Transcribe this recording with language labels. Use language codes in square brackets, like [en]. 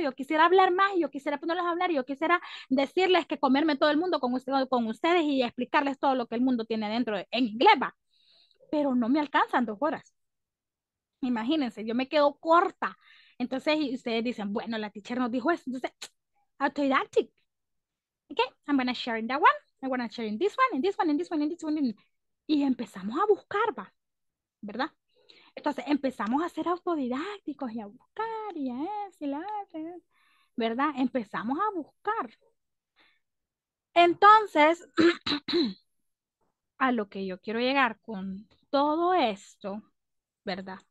[es] Yo quisiera hablar más y yo quisiera ponerlos a hablar y yo quisiera decirles que comerme todo el mundo con ustedes y explicarles todo lo que el mundo tiene dentro en inglés, va. Pero no me alcanzan 2 horas. Imagínense, yo me quedo corta. Entonces, y ustedes dicen, bueno, la teacher nos dijo eso. Entonces, autodidactic. [en] Okay, I'm going to share in that one. I'm going to share in this one, in this one, in this one, in this one. [es] Y empezamos a buscar, va. ¿Verdad? Entonces empezamos a ser autodidácticos y a buscar y a eso y la otra, ¿verdad? Empezamos a buscar. Entonces, a lo que yo quiero llegar con todo esto, ¿verdad?